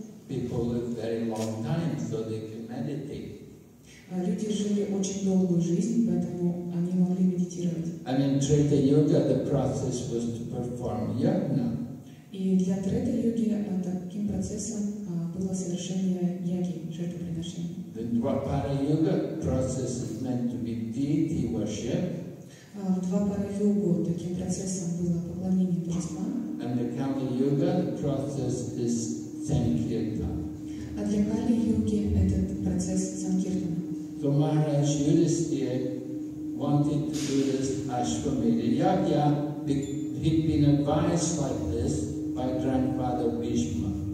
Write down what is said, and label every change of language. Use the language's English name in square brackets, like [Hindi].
[English] People live very long time, so they can meditate. [Russian] Люди жили очень долгую жизнь, поэтому они могли медитировать. [English] And in Трета-йога the process was to perform yagna. [Russian] И для Трета-йоги таким процессом было совершение яги, жертвоприношения. [English] The Двапара-йога process is meant to be deity worship. [Russian] В Двапара-йогу таким процессом было поклонение божествам. [English] And the Kali Yuga, the process is Sankirtan. [Russian] А для Кали-юги этот процесс санкиртана. [English] So Maharaj Yudhisthira wanted to do this Ashwamedha Yagya. He'd been advised like this by grandfather Bhishma.